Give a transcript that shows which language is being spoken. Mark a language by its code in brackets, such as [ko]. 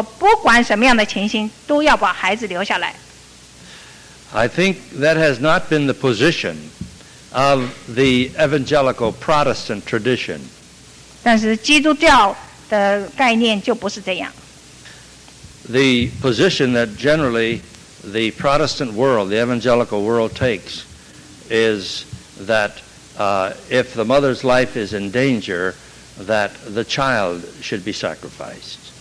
[zh] 若是天主教的概念就是说，不管什么样的情形，都要把孩子留下来。 [en] I think that has not been the position of the evangelical Protestant tradition. [zh] 但是基督教的概念就不是这样。 [en] The position that generally the Protestant world, the evangelical world takes is that if the mother's life is in danger, that the child should be sacrificed.